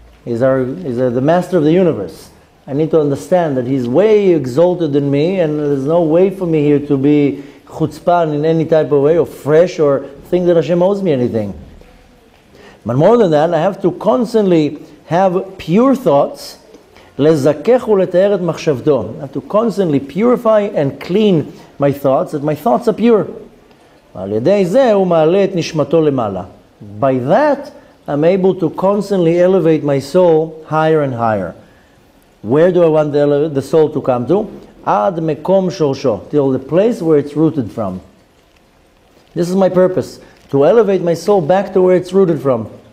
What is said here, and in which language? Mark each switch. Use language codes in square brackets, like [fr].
[en] He's the master of the universe. I need to understand that he's way exalted than me, and there's no way for me here to be chutzpan in any type of way, or fresh, or think that Hashem owes me anything. But more than that, I have to constantly have pure thoughts. [he] לזכך ולתאר את מחשבתו. [en] I have to constantly purify and clean my thoughts, that my thoughts are pure. [he] ועל ידי זה הוא מעלה את נשמתו למעלה. [en] By that, I'm able to constantly elevate my soul higher and higher. Where do I want the soul to come to? [he] Ad mekom shorsho, [en] till the place where it's rooted from. This is my purpose, to elevate my soul back to where it's rooted from.